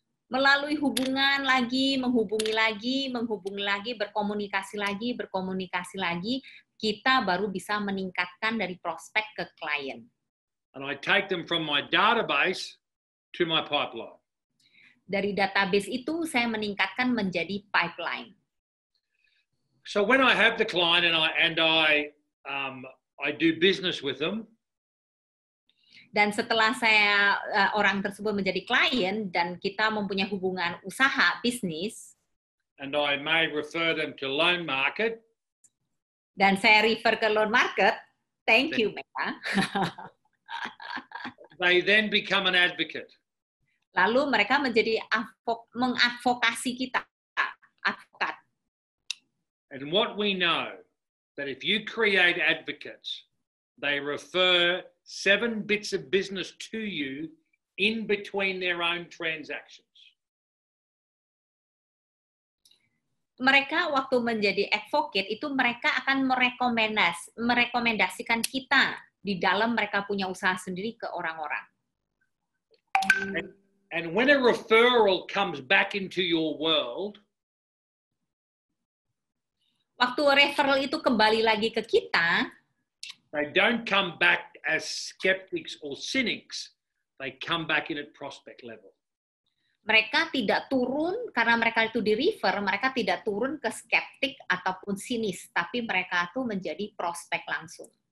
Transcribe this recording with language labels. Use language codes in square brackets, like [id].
[id] Melalui hubungan lagi, menghubungi lagi, berkomunikasi lagi, kita baru bisa meningkatkan dari prospect ke client. [en] And I take them from my database to my pipeline. [id] Dari database itu saya meningkatkan menjadi pipeline. [en] So when I have the client and I do business with them. [id] Dan setelah saya orang tersebut menjadi klien dan kita mempunyai hubungan usaha bisnis. [en] And I may refer them to loan market. [id] Dan saya refer ke loan market. [en] Thank you, Meta. They then become an advocate. [id] Lalu mereka menjadi mengadvokasi kita, advokat. [en] And what we know that if you create advocates, they refer 7 bits of business to you in between their own transactions. [id] Mereka waktu menjadi advocate itu mereka akan merekomendasikan kita di dalam mereka punya usaha sendiri ke orang-orang. [en] And when a referral comes back into your world, [id] waktu referral itu kembali lagi ke kita, [en] they don't come back as skeptics or cynics. They come back in at prospect level. [id] Mereka tidak turun karena mereka itu di river, mereka tidak turun ke skeptik ataupun sinis, tapi mereka itu menjadi prospek langsung.